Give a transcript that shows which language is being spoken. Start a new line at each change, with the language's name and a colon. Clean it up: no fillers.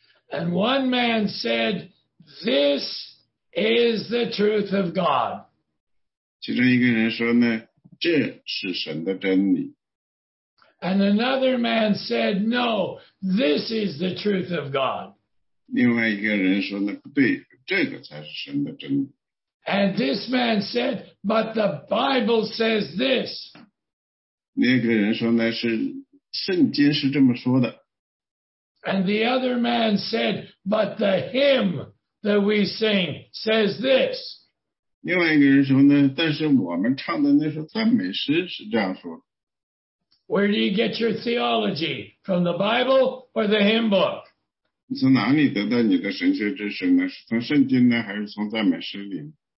English: And one man said, "This is the truth of God."
Chinese: 其中一个人说呢, 这是神的真理。
English: And another man said, "No, this is the truth of God."
Chinese: 另外一个人说呢, 不对，这个才是神的真理。
English: And this man said, "But the Bible says this."
Chinese: 那个人说呢, 是圣经是这么说的。
English: And the other man said, "But the hymn that we sing says this."
Chinese: 另外一个人说呢, 但是我们唱的那首赞美诗是这样说的。
English: Where do you get your theology? From the Bible or the hymn book?
Chinese: 你从哪里得到你的神学知识呢?是从圣经呢, 还是从赞美诗里?